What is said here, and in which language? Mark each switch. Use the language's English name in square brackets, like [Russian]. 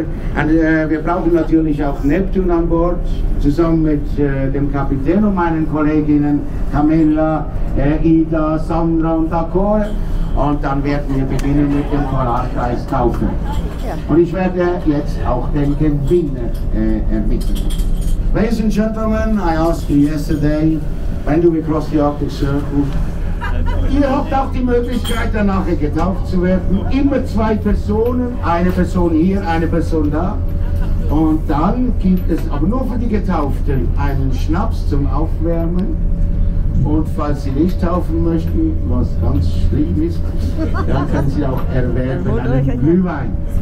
[German] Und wir brauchen natürlich auch Neptun an Bord, zusammen mit dem Kapitän und meinen Kolleginnen Camilla, Ida, Sandra und Dakor. Und dann werden wir beginnen mit dem Polarkreis taufen. Und ich werde jetzt auch den Gewinner ermitteln. [English] Ladies and gentlemen, I asked you yesterday, when do we cross the Arctic Circle? [German] Ihr habt auch die Möglichkeit, danach getauft zu werden. Immer zwei Personen, eine Person hier, eine Person da. Und dann gibt es aber nur für die Getauften einen Schnaps zum Aufwärmen. Und falls sie nicht taufen möchten, was ganz schlimm ist, dann können sie auch erwerben einen Glühwein.